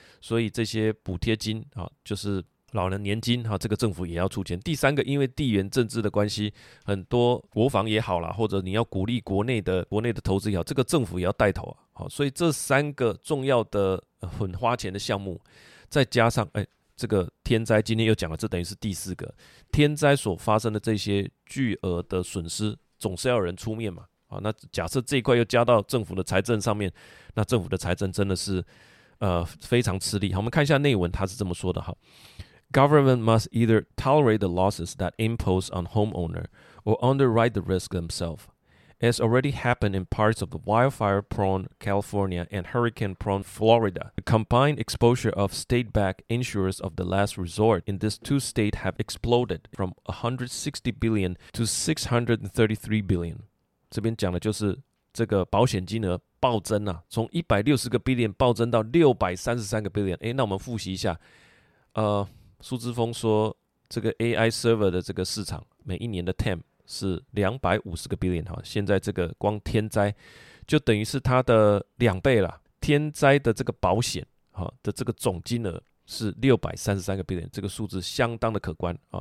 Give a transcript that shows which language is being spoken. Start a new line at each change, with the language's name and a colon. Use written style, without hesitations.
Chinese: 所以这些补贴金，就是老人年金，这个政府也要出钱，第三个因为地缘政治的关系，很多国防也好啦，或者你要鼓励国内的投资也好，这个政府也要带头啊，所以这三个重要的很花钱的项目，再加上这个天灾今天又讲了，这等于是第四个天灾所发生的这些巨额的损失，总是要有人出面嘛。啊，那假设这一块又加到政府的财政上面，那政府的财政真的是非常吃力。好，我们看一下内文，他是这么说的哈。
English: Government must either tolerate the losses that impose on homeowner or underwrite the risk themselves. It's already happened in parts of the wildfire-prone California and hurricane-prone Florida. The combined exposure of state-backed insurers of the last resort in these two states have exploded from $160 billion to $633 billion.
Chinese: 这边讲的就是这个保险金额暴增啊，从160个 billion 暴增到633个 billion。诶，那我们复习一下，苏之峰说这个 AI server 的这个市场每一年的 TAM 是250个 billion， 现在这个光天灾就等于是它的两倍了，天灾的这个保险的这个总金额是633个 billion， 这个数字相当的可观。